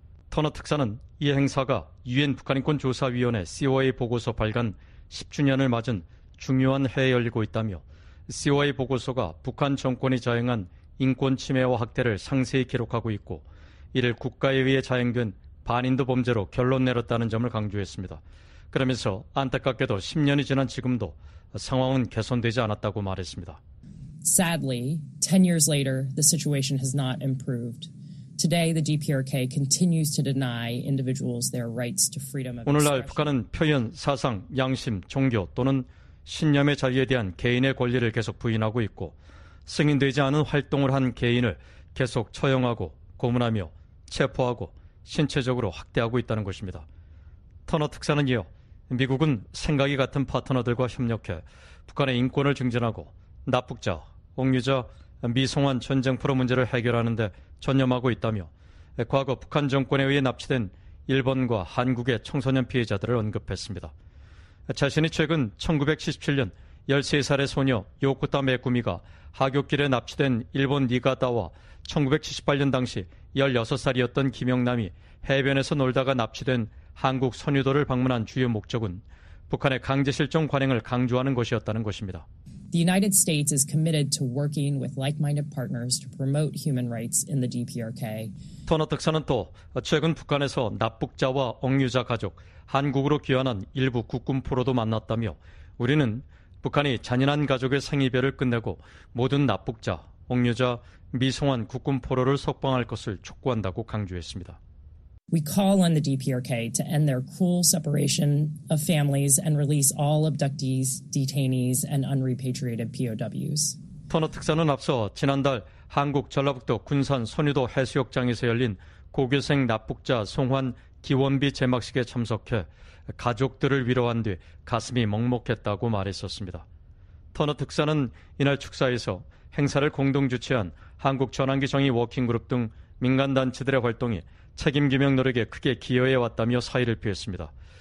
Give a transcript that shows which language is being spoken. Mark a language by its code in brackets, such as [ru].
[ko] 터너 특사는 이 행사가 유엔 북한인권조사위원회 COA 보고서 발간 10주년을 맞은 중요한 해에 열리고 있다며 COA 보고서가 북한 정권이 자행한 인권침해와 학대를 상세히 기록하고 있고 이를 국가에 의해 자행된 반인도 범죄로 결론 내렸다는 점을 강조했습니다. 그러면서 안타깝게도 10년이 지난 지금도 상황은 개선되지 않았다고 말했습니다. [en] Sadly, 10 years later, the situation has not improved. Today, the DPRK continues to deny individuals their rights to freedom of expression. [ko] 오늘날 북한은 표현, 사상, 양심, 종교 또는 신념의 자유에 대한 개인의 권리를 계속 부인하고 있고 승인되지 않은 활동을 한 개인을 계속 처형하고 고문하며 체포하고 신체적으로 학대하고 있다는 것입니다. 터너 특사는 이어 미국은 생각이 같은 파트너들과 협력해 북한의 인권을 증진하고 납북자, 억류자, 미송환 전쟁 포로 문제를 해결하는 데 전념하고 있다며 과거 북한 정권에 의해 납치된 일본과 한국의 청소년 피해자들을 언급했습니다. 자신이 최근 1977년 13살의 소녀 요코타 메구미가 하굣길에 납치된 일본 니가다와 1978년 당시 16살이었던 김영남이 해변에서 놀다가 납치된 한국 선유도를 방문한 주요 목적은 북한의 강제실종 관행을 강조하는 것이었다는 것입니다. [en] The United States is committed to working with like-minded partners to promote human rights in the DPRK. [ko] 터너 특사는 또 최근 북한에서 납북자와 억류자 가족, 한국으로 귀환한 일부 국군 포로도 만났다며 우리는 북한이 잔인한 가족의 생이별을 끝내고 모든 납북자, 억류자, 미송환 국군 포로를 석방할 것을 촉구한다고 강조했습니다. [en] We call on the DPRK to end their cruel separation of families and release all abductees, detainees, and unrepatriated POWs. [ko] 터너 특사는 앞서 지난달 한국 전라북도 군산 선유도 해수욕장에서 열린 고교생 납북자 송환 기원비 제막식에 참석해 가족들을 위로한 뒤 가슴이 먹먹했다고 말했었습니다. 터너 특사는 이날 축사에서 행사를 공동 주최한 한국 전환기 정의 워킹그룹 등 민간단체들의 활동이 책임규명 노력에 크게 기여해왔다며 사의를 표했습니다.